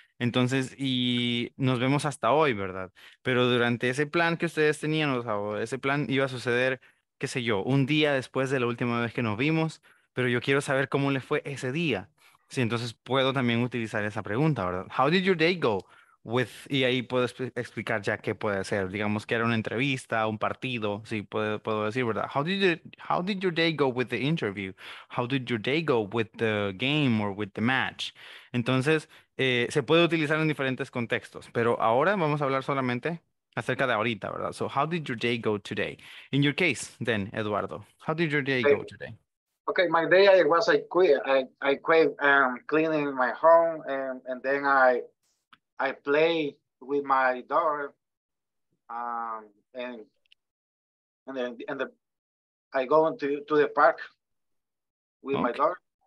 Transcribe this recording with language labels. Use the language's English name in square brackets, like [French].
[Spanish] Entonces, y nos vemos hasta hoy, ¿verdad? Pero durante ese plan que ustedes tenían, o sea, ese plan iba a suceder, qué sé yo, un día después de la última vez que nos vimos, pero yo quiero saber cómo le fue ese día. Sí, entonces puedo también utilizar esa pregunta, ¿verdad? [English] How did your day go with? [Spanish] Y ahí puedo explicar ya qué puede ser. Digamos que era una entrevista, un partido. Sí, puedo decir, ¿verdad? [English] How did your day go with the interview? How did your day go with the game or with the match? [Spanish] Entonces, se puede utilizar en diferentes contextos. Pero ahora vamos a hablar solamente acerca de ahorita, ¿verdad? [English] So, how did your day go today? In your case, then, Eduardo, how did your day go today? Okay, my day I quit cleaning my home and then I play with my daughter and then I go to the park with my daughter.